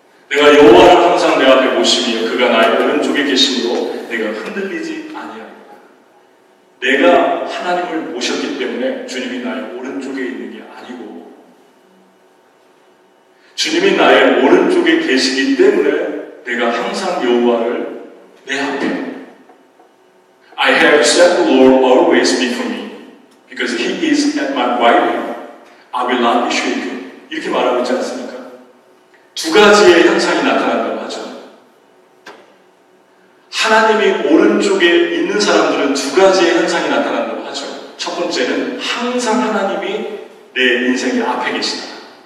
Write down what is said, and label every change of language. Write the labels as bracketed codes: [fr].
[ko] 내가 여호와를 항상 내 앞에 모시며 그가 나의 오른쪽에 계심으로 내가 흔들리지 아니하리라. 내가 하나님을 모셨기 때문에 주님이 나의 오른쪽에 있는 게 아니고, 주님이 나의 오른쪽에 계시기 때문에 내가 항상 여호와를 내 앞에. [en] I have set the Lord always before me because he is at my right hand. I will not be shaken. [ko] 이렇게 말하고 있지 않습니까? 두 가지의 현상이 나타난다고 하죠. 하나님이 오른쪽에 있는 사람들은 두 가지의 현상이 나타난다고 하죠. 첫 번째는 항상 하나님이 내 인생의 앞에 계신다.